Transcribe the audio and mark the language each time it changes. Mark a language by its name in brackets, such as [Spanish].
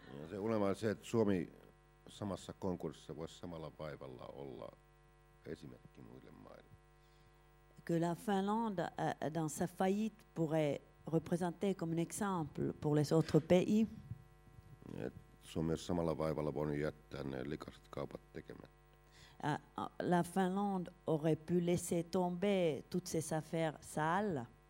[Finnish] Se unelma on se, että Suomi samassa konkurssissa voisi samalla vaivalla olla esimerkki muille maille. [French] Que la Finlande dans sa faillite pourrait représenter comme un exemple pour les autres pays. [Finnish] Suomi on samalla vaivalla voinut jättää ne likaiset kaupat tekemättä. [French] La Finlande aurait pu laisser tomber toutes ses affaires sales.